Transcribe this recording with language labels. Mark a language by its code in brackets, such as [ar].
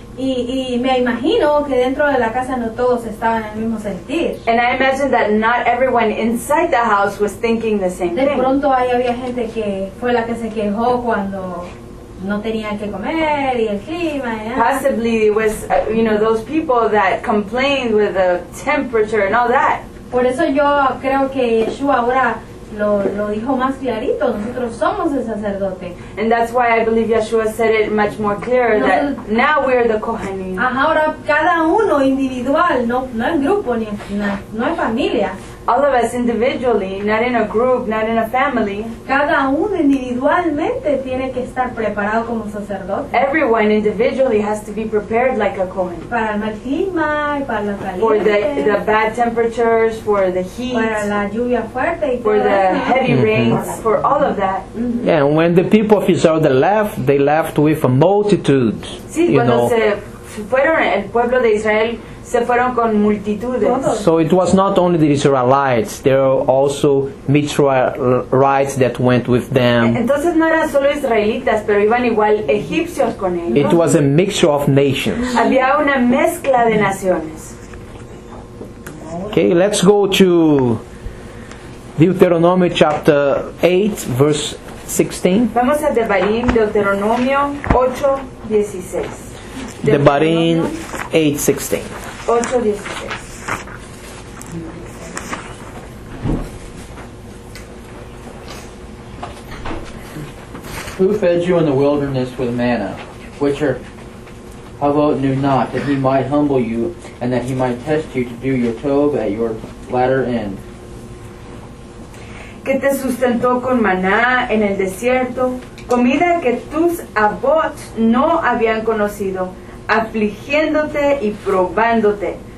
[es] Y me imagino que dentro de la casa no todos estaban en el mismo sentir. [en] And I imagine that not everyone inside the house was thinking the same thing. [es] De pronto ahí había gente que fue la que se quejó cuando no tenían que comer y el clima. Y [en] possibly it was, you know, those people that complained with the temperature and all that. [es] Por eso yo creo que Yeshua ahora lo dijo más clarito. Nosotros somos el sacerdote. [en] And that's why I believe Yeshua said it much more clearer. No, that now we are the Kohanim. [es] Ahora cada uno individual, no en grupo, no en familia. [en] All of us individually, not in a group, not in a family. [es] Cada uno individualmente tiene que estar preparado como sacerdote. [en] Everyone individually has to be prepared like a Kohen. [es] Para el mal clima, para la caliente. [en] For the bad temperatures, for the heat. [es] Para la lluvia fuerte y [en] for the heavy rains, for all of that. Mm-hmm. Yeah, and when the people of Israel left, they left with a multitude. [es] Sí, [en] you [es] cuando Se fueron el pueblo de Israel. Se fueron con multitudes. [en] So it was not only the Israelites, there were also Mitzrayites that went with them. [es] Entonces no eran solo israelitas, pero iban igual egipcios con ellos. [en] It was a mixture of nations. [es] Había una mezcla de naciones. [en] Okay, let's go to Deuteronomy chapter 8, verse 16. [es] Vamos a Devarim, Deuteronomio 8, 16. Devarim 8, 16. 8:16. [en] Who fed you in the wilderness with manna, which your Havot knew not, that he might humble you, and that he might test you to do your tov at your latter end? [es] Que te sustentó con maná en el desierto, comida que tus Havot no habían conocido, afligiéndote y probándote.